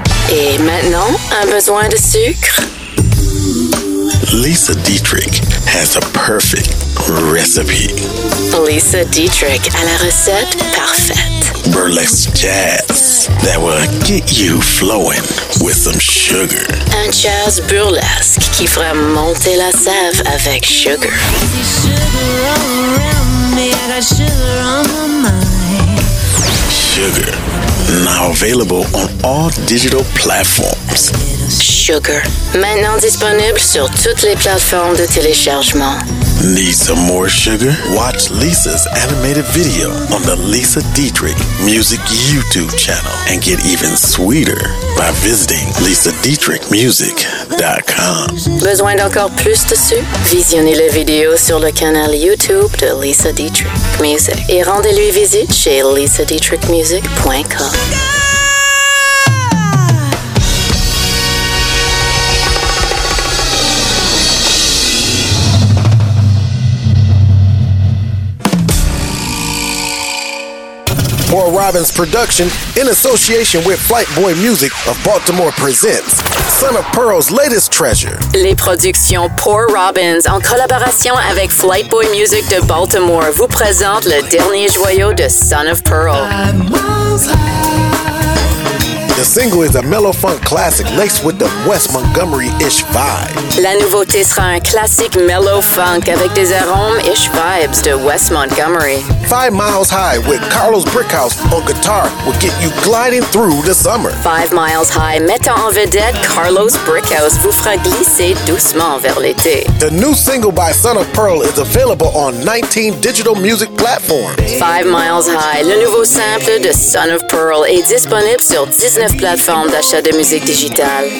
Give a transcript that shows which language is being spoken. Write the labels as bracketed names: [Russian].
[French] Et maintenant, un besoin de sucre. [English] Lisa Dietrich has a perfect recipe. [French] Lisa Dietrich a la recette parfaite. [English] Burlesque jazz that will get you flowing with some sugar. [French] Un jazz burlesque qui fera monter la sève avec sugar. [English] Sugar, now available on all digital platforms. [French] Sugar, maintenant disponible sur toutes les plateformes de téléchargement. [English] Need some more sugar? Watch Lisa's animated video on the Lisa Dietrich Music YouTube channel and get even sweeter by visiting lisadietrichmusic.com. [French] Besoin d'encore plus de sucre? Visionnez les vidéos sur le canal YouTube de Lisa Dietrich Music et rendez-lui visite chez lisadietrichmusic.com. [English] Paul Robbins Production, in association with Flight Boy Music of Baltimore, presents Son of Pearl's latest treasure. [French] Les productions Paul Robbins, en collaboration avec Flight Boy Music de Baltimore, vous présente le dernier joyau de Son of Pearl. [English] The single is a mellow funk classic laced with the West Montgomery-ish vibe. [French] La nouveauté sera un classique mellow funk avec des arômes-ish vibes de West Montgomery. [English] 5 miles high with Carlos Brickhouse on guitar will get you gliding through the summer. [French] 5 miles high, mettant en vedette Carlos Brickhouse, vous fera glisser doucement vers l'été. [English] The new single by Son of Pearl is available on 19 digital music platforms. [French] 5 miles high, le nouveau sample de Son of Pearl est disponible sur 19 plateformes d'achat de musique digitale.